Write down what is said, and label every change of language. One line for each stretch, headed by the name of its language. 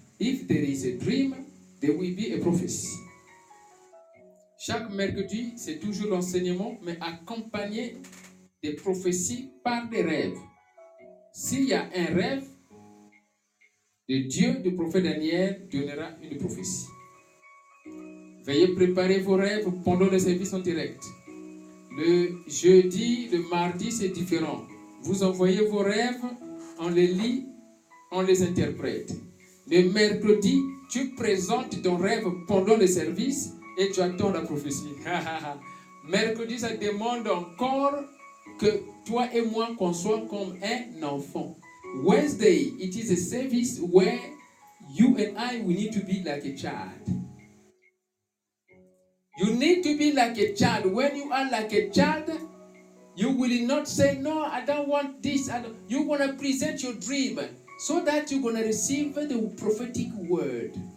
English: If there is a dream, there will be a prophecy.
French: Chaque mercredi, c'est toujours l'enseignement, mais accompagné des prophéties par des rêves. S'il y a un rêve, le Dieu du prophète Daniel donnera une prophétie. Veuillez préparer vos rêves pendant le service en direct. Le jeudi, le mardi, c'est différent. Vous envoyez vos rêves, on les lit, on les interprète. Le mercredi, tu présentes ton rêve pendant le service et tu attends la prophétie. Mercredi, ça demande encore que toi et moi qu'on soit comme un enfant.
English: Wednesday, it is a service where you and I, we need to be like a child. You need to be like a child. When you are like a child, you will not say, no, I don't want this. You're going to present your dream so that you're going to receive the prophetic word.